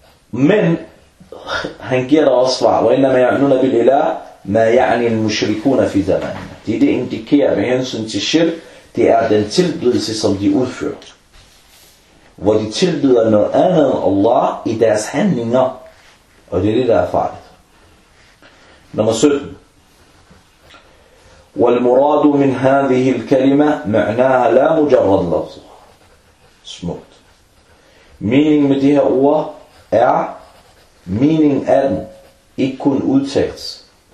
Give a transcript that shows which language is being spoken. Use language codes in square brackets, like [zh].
[da] Men han giver dig også svar. Hvad er det, når vi lærer, hvad jeg er en mushrikun af fidaman? Det, det indikerer med hensyn til shirk, det er den tilbedelse, som de udfører. Hvor de tilbyder noget andet end Allah i deres handlinger. Og det er det, der er farligt. Nummer 17. [ar] والمراد من هذه الكلمة معناها لا مجرد لفظ. [da] Smukt. Meaning med det her ord er, mening af den, ikke kun udtales.